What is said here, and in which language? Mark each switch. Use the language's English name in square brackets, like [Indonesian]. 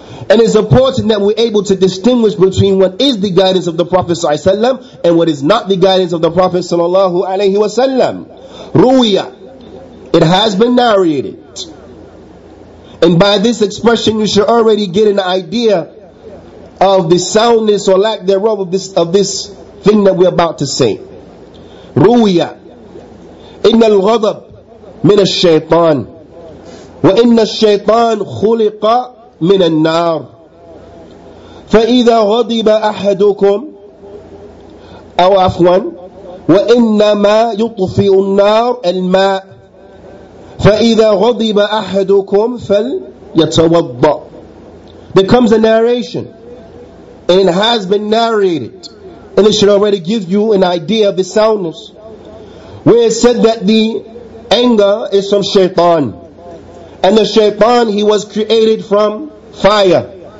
[English] And it's important that we're able to distinguish between what is the guidance of the Prophet sallallahu alaihi wasallam and what is not the guidance of the Prophet sallallahu alaihi wasallam. Ruwiya, it has been narrated. And by this expression, you should already get an idea of the soundness or lack thereof of this thing that we're about to say. [Arabic] Ruwiya, inna al-ghadab من الشيطان وإن الشيطان خلق من النار فإذا غضب أحدكم أو عفوا وإنما يطفئ النار الماء فإذا غضب أحدكم فليتوضأ. [English] There comes a narration, and it has been narrated, and it should already give you an idea of the soundness, where it said that the anger is from shaitan. And the shaitan, he was created from fire.